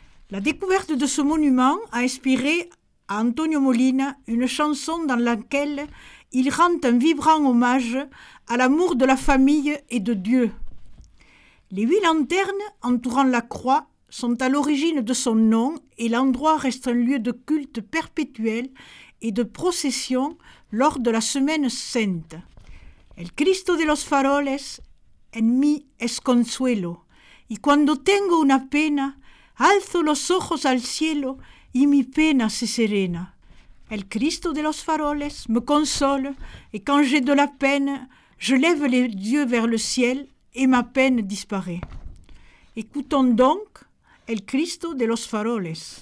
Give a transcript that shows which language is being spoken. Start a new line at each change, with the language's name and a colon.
French: La découverte de ce monument a inspiré à Antonio Molina une chanson dans laquelle il rend un vibrant hommage à l'amour de la famille et de Dieu. Les 8 lanternes entourant la croix sont à l'origine de son nom et l'endroit reste un lieu de culte perpétuel et de procession lors de la Semaine Sainte.
Spanish: El Cristo de los Faroles en mi es consuelo. Y cuando tengo una pena, alzo los ojos al cielo y mi pena se serena.
French: El Cristo de los Faroles me console et quand j'ai de la peine, je lève les yeux vers le ciel et ma peine disparaît. Écoutons donc El Cristo de los Faroles.